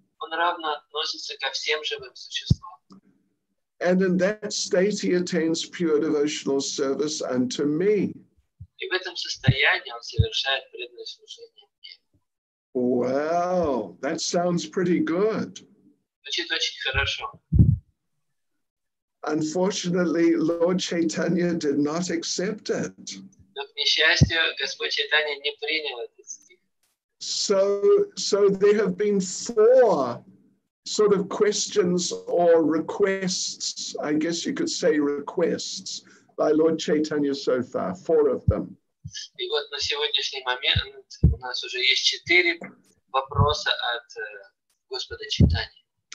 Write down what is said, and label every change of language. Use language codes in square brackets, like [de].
[ru] Он равно относится ко всем живым существам. [en] And in that state he attains pure devotional service unto me. [ru] И в этом состоянии он совершает преданное служение мне. [en] Wow, that sounds pretty good. [ru] Звучит очень хорошо. [en] Unfortunately, Lord Chaitanya did not accept it. [ru] Но, к несчастью, Господь Чайтанья не принял это. [en] So there have been four sort of questions or requests, I guess you could say requests, by Lord Chaitanya so far, four of them. [ru] И вот на сегодняшний момент у нас уже есть четыре вопроса от Господа Чайтаньи.